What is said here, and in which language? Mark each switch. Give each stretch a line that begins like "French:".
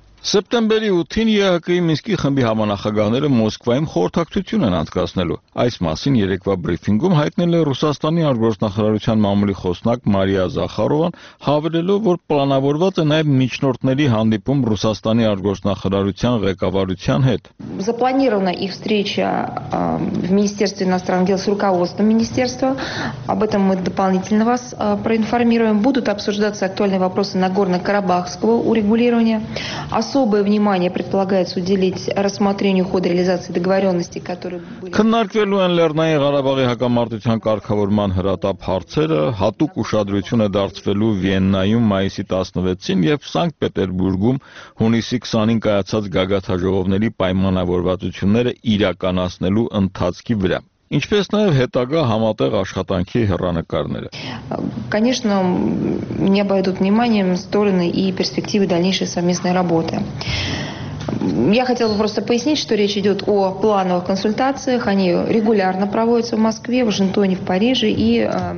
Armenian: Սեպտեմբերի 8-ին ԵԱՀԿ-ի Մինսկի խմբի համանախագահները Մոսկվայում խորհրդակցություն են անցկացնելու։ Այս մասին երեկվա բրիֆինգում հայտնել է Ռուսաստանի արտգործնախարարության մամուլի խոսնակ Մարիա Զախարովան, հավելելով, որ պլանավորված է նաև միջնորդների հանդիպում Ռուսաստանի արտգործնախարարության ղեկավարության հետ։
Russian: Запланирована их встреча в Министерстве иностранных дел с руководством министерства. Об этом мы дополнительно вас проинформируем. Будут обсуждаться актуальные вопросы Нагорно-Карабахского урегулирования. Особое внимание предполагается уделить рассмотрению хода реализации договоренности, которые были...
Armenian: Քննարկվելու են Լեռնային Ղարաբաղի հակամարտության կարգավորման հրատապ հարցերը, հատուկ ուշադրություն է դարձվելու Վիեննայում մայիսի 16-ին և Սանկտպետերբուրգում հունիսի 20-ին կայացած գագաթաժողովների պայմանավորվածությունները իրականացնելու ընթացքի վրա։ Ինչպես նաև հետագա համատեղ աշխատանքի հեռանկարները։
Russian: Конечно, не обойдут вниманием стороны и перспективы дальнейшей совместной работы. Я хотела просто пояснить, что речь идет о плановых консультациях. Они регулярно проводятся в Москве, в Вашингтоне, в Париже и...